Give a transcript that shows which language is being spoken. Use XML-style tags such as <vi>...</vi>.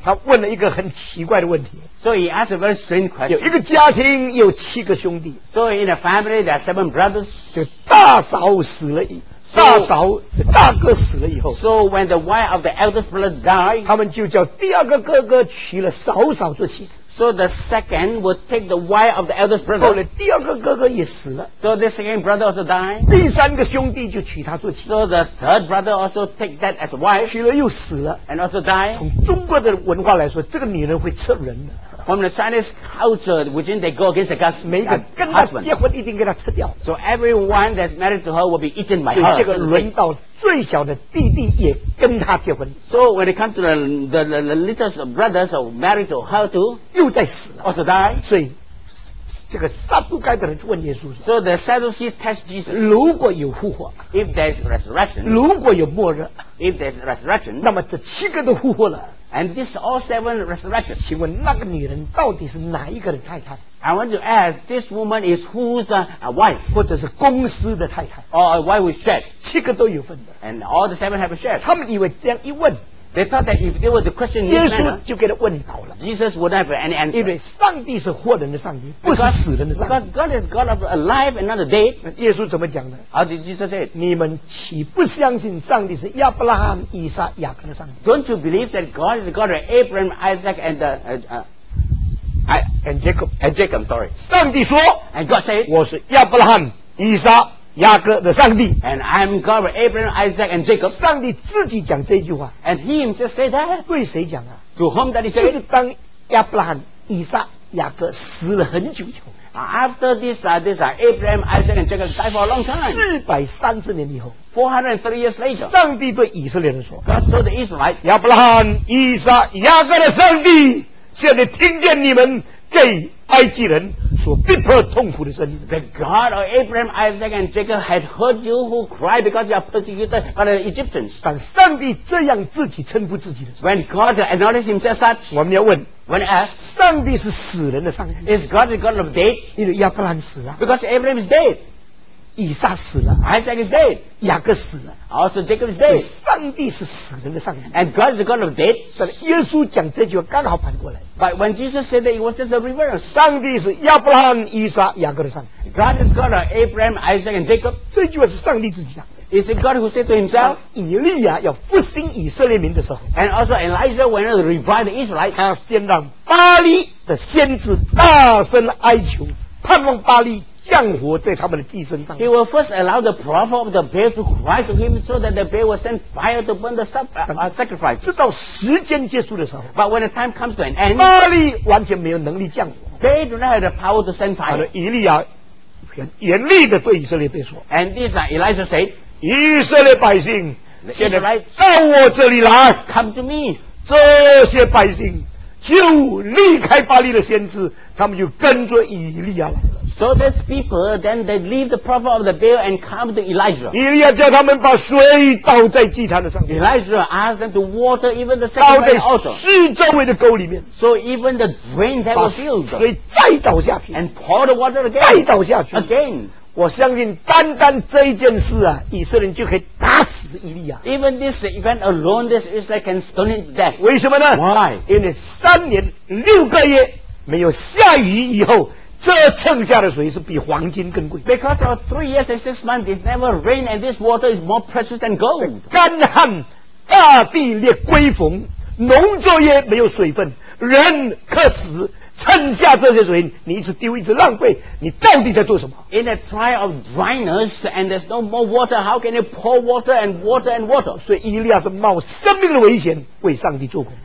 <zh>他问了一个很奇怪的问题。</zh> <en>So he asked a very strange question.</en> <zh>有一个家庭有七个兄弟。</zh> <en>So in a family there are seven brothers.</en> <zh>就大嫂死了以大嫂大哥死了以后。</zh> <en>So when the wife of the eldest brother died,</en> <zh>他们就叫第二个哥哥娶了嫂嫂做妻子。</zh> <en>So the second would take the wife of the eldest brother.</en> <zh>后来第二个哥哥也死了。</zh> <en>So the second brother also died.</en> <zh>第三个兄弟就娶她做妻。</zh> <en>So the third brother also take that as wife.</en> <zh>娶了又死了。</zh> <en>And also died.</en> <zh>从中国的文化来说，这个女人会吃人的。</zh> <en>From the Chinese culture, which means they go against the God's husband.</en> <zh>每个跟她结婚一定给她吃掉。</zh> <en>So everyone that's married to her will be eaten by her.</en> <zh>所以这个轮到最小的弟弟也跟他结婚。</zh> <en>So when it comes to the littlest brothers of married to her too,</en> <zh>又在死了。</zh> <en>Also die.</en> <zh>所以这个撒杜盖的人问耶稣说。</zh> <en>So the Sadducees test Jesus.</en> <zh>如果有复活。</zh> <en>If there's resurrection.</en> <zh>如果有末日。</zh> <en>If there's resurrection.</en> <zh>那么这七个都复活了。</zh> <en>And this all seven resurrection.</en> <zh>请问那个女人到底是哪一个的太太？</zh> <en>I want to ask, this woman is who's a wife?</en> <zh>或者是公司的太太。</zh> <en>Or a wife with share.</en> <zh>七个都有份的。</zh> <en>And all the seven have a share.</en> <zh>他们以为这样一问。</zh> <en>They thought that if they were to question this man,</en> <zh>耶稣就给他问倒了。</zh> <en>Jesus would have any answer.</en> <zh>因为上帝是活人的上帝，不是死人的上帝。</zh> <en>Because God is God of alive and not dead.</en> <zh>耶稣怎么讲的？</zh> <en>How did Jesus say it?</en> <zh>你们岂不相信上帝是亚伯拉罕、以撒、雅各的上帝？</zh> <en>Don't you believe that God is God of Abraham, Isaac, and</en> <zh>Jacob. 上帝说</zh> <en>，And God said,</en> <zh>我是亚伯拉罕、以撒、雅各的上帝。</zh> <en>And I'm God of Abraham, Isaac, and Jacob.</en> <zh>上帝自己讲这句话。</zh> <en>And He himself said that.</en> <zh>对谁讲啊</zh> <en>？To whom did He say?</en> <zh>就是当亚伯拉罕、以撒、雅各死了很久以后。</zh> <en>After this, Abraham, Isaac, and Jacob died for a long time.</en> <zh>430年以后。</zh> <en>430 years later.</en> <zh>上帝对以色列人说。</zh> <en>God told the Israelites.</en> <zh>亚伯拉罕、以撒、雅各的上帝。现在听见你们给埃及人所逼迫痛苦的声音。</zh> <en>The God of Abraham, Isaac, and Jacob had heard you who cried because you are persecuted by the Egyptians.</en> <zh>但上帝这样自己称呼自己的时候。</zh> <en>When God acknowledged himself such.</en> <zh>我们要问。</zh> <en>When asked.</en> <zh>上帝是死人的上帝。</zh> <en>Is God the God of dead?</en> <zh>因为亚伯兰死了。</zh> <en>Because Abraham is dead.</en> <zh>以撒死了。</zh> <en>Isaac is dead.</en> <zh>雅各死了。</zh> <en>Also Jacob is dead.</en> <zh>上帝是死人的上帝。</zh> <en>And God is the God of dead.</en> <zh>但耶稣讲这句话刚好反过来。</zh> <en>But when Jesus said that, it was just a reverse.</en> <zh>上帝是亚伯拉罕、以撒、雅各的上帝。</zh> <en>God is God of Abraham, Isaac, and Jacob.</en> <zh>这句话是上帝自己讲的。</zh> <en>Is it God who said to himself?</en> <zh>以利亚要复兴以色列民的时候。</zh> <en>And also Elijah when he revived the Israelites.</en> <zh>他先让巴利的先知大声哀求，盼望巴力降火在他们的地身上。</zh> <en>He will first allow the prophet of the Baal to cry to him so that the Baal will send fire to burn the sacrifice.</en> <zh>直到时间结束的时候</zh> <en>，But when the time comes to an end，</en> <zh>巴力完全没有能力降火。</zh> <en>They do not have the power to send fire。</en> <zh>以利亚严厉的对以色列队说</zh> <en>，And this is Elijah said，</en> <zh>以色列百姓。现在来到我这里来</zh> <en>，Come to me。</en> <zh>这些百姓就离开巴力的先知，他们就跟着以利亚来了。</zh> <en>So these people then they leave the prophet of the Baal and come to Elijah。</en> <zh>以利亚叫他们把水倒在祭坛的上面。</zh> <en>Elijah asked them to water even the sacrifice</en> <zh>altar。 倒在四周围的沟里面。</zh> <en>So even the drain that was filled。</en> <zh>把水再倒下去。</zh> <en>And pour the water again。</en> <zh>再倒下去。</zh> <en>Again。</en> <zh>我相信单单这一件事啊，以色列人就可以打死以利亚。</zh> <en>Even this event alone, this Israel can stone him to death.</en> <zh>为什么呢</zh> <en>？Why?</en> <zh>因为三年六个月没有下雨以后，这蹭下的水是比黄金更贵。</zh> <en>Because for 3 years and 6 months it never rained, and this water is more precious than gold.</en> <zh>干旱，大地裂归缝，农作业没有水分，人渴死。趁下这些水你一直丢一直浪费，你到底在做什么？</zh> <en>In a trial of dryness and there's no more water, how can you pour water and water and water?</en> <zh>所以以利亚是冒生命的危险为上帝做工。</zh>